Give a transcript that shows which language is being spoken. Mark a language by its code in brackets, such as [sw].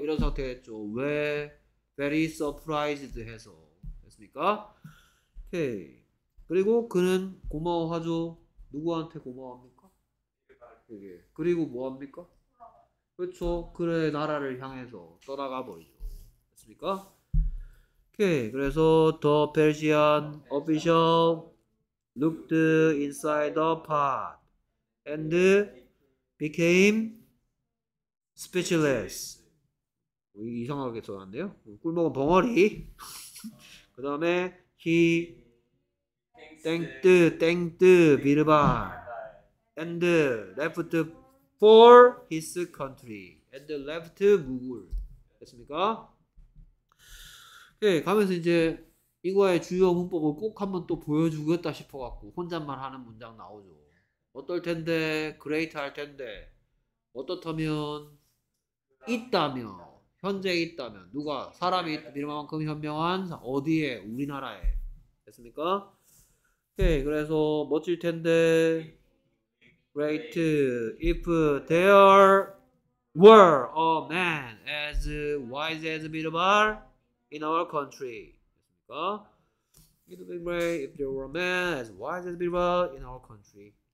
[ko] 이런 상태였죠. 왜? [en] Very surprised [ko] 해서 됐습니까? 오케이. 그리고 그는 고마워하죠. 누구한테 고마워합니까? 그게. 그리고 뭐합니까? 그렇죠. 그래 나라를 향해서 떠나가 버리죠. 됐습니까? 오케이. 그래서 [en] the Persian official looked inside the pot and became speechless. [ko] 이상하게 써놨네요. 꿀먹은 벙어리. 그 다음에 [en] he thanked Birbal and left for his country and left Mughal. [ko] 됐습니까? 네, 가면서 이제 이거의 주요 문법을 꼭 한번 또 보여주겠다 싶어갖고 혼잣말 하는 문장 나오죠. 어떨 텐데, great 할 텐데, 어떻다면, 있다면, 현재 있다면, 누가, 사람이 밀만큼 현명한, 어디에, 우리나라에. 됐습니까? 네, 그래서 멋질 텐데, [en] great if there were a man as wise as Birbal in our country. [ko] 됐습니까? [en] It would be great if there were a man as wise as Birbal in our country.